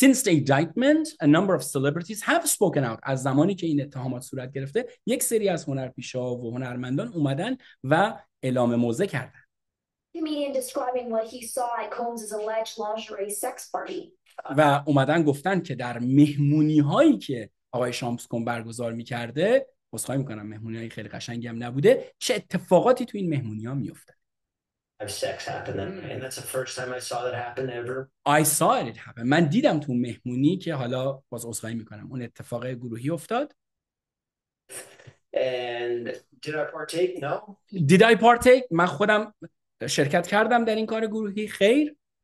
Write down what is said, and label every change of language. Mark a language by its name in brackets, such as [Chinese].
[English] Since the indictment, a number of celebrities have spoken out. [Persian] از زمانی که این اتهامات صورت گرفته، یک سری از هنرپیشه‌ها و هنرمندان اومدن و اعلام موضع کردن. [English] Comedian describing what he saw at Combs's alleged lingerie sex party. [Persian] و اومدن گفتن که در مهمونی‌هایی که آقای شامپس کم برگزار می‌کرده، بخوام می‌کنم مهمونی‌های خیلی قشنگی هم نبوده، چه اتفاقاتی تو این مهمونی‌ها می‌افتاد. [English] Have sex happen and that's the first time I saw that happen ever. I saw it happen. [Persian] من دیدم تو مهمونی که حالا بخوام می‌کنم اون اتفاق گروهی افتاد. [English] And did I partake? No. Did I partake? [Persian] من خودم شرکت کردم در این کار گروهی؟ خیر.